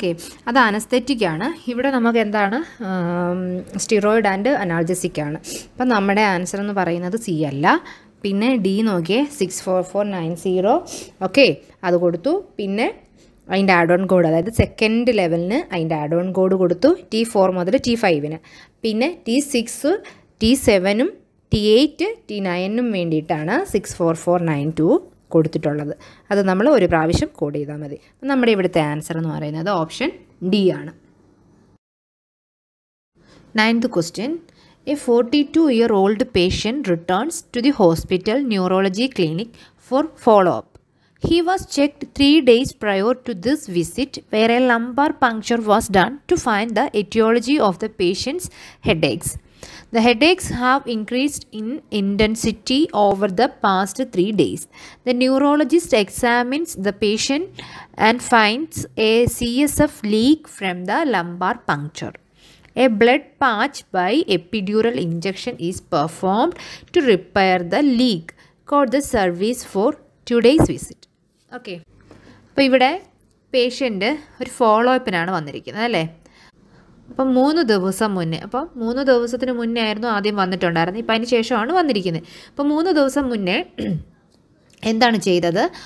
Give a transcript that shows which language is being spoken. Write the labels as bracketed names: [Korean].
[Malayalam] Okay, അത് anaesthetic ആണ്. ഇവിടെ നമുക്ക് എന്താണ്? സ്റ്റിറോയിഡ് ആൻഡ് അനാൾജസിക് ആണ്. അപ്പം നമ്മുടെ ആൻസർ എന്ന് പറയുന്നത് സി അല്ല. പിന്നെ ഡി നോക്കിയേ, 64490. ഓക്കെ, അത് കൊടുത്തു. പിന്നെ അതിൻ്റെ ആഡ് ഓൺ കോഡ്, അതായത് സെക്കൻഡ് ലെവലിന് അതിൻ്റെ ആഡ് ഓൺ കോഡ് കൊടുത്തു, T4 മുതൽ T5. പിന്നെ T6 T7 T8 T9 വേണ്ടിയിട്ടാണ് 64492 കൊടുത്തിട്ടുള്ളത്. അത് നമ്മൾ ഒരു പ്രാവശ്യം കോഡ് ചെയ്താൽ മതി. അപ്പം നമ്മുടെ ഇവിടുത്തെ ആൻസർ എന്ന് പറയുന്നത് ഓപ്ഷൻ ഡി ആണ്. [English] 9th question, a 42-year-old patient returns to the hospital neurology clinic for follow up. He was checked 3 days prior to this visit where a lumbar puncture was done to find the aetiology of the patient's headaches. The headaches have increased in intensity over the past 3 days. The neurologist examines the patient and finds a CSF leak from the lumbar puncture. A blood patch by epidural injection is performed to repair the leak. Call the service for 2 days visit. Okay. [Malayalam] അപ്പോൾ ഇവിടെ patient ഒരു follow അപ്പിനാണ് വന്നിരിക്കുന്നത് അല്ലേ. അപ്പം 3 ദിവസം മുന്നേ, അപ്പം 3 ദിവസത്തിന് മുന്നേ ആയിരുന്നു ആദ്യം വന്നിട്ടുണ്ടായിരുന്നത്, ഇപ്പം അതിന് ശേഷമാണ് വന്നിരിക്കുന്നത്. അപ്പം 3 ദിവസം മുന്നേ എന്താണ് ചെയ്തത്?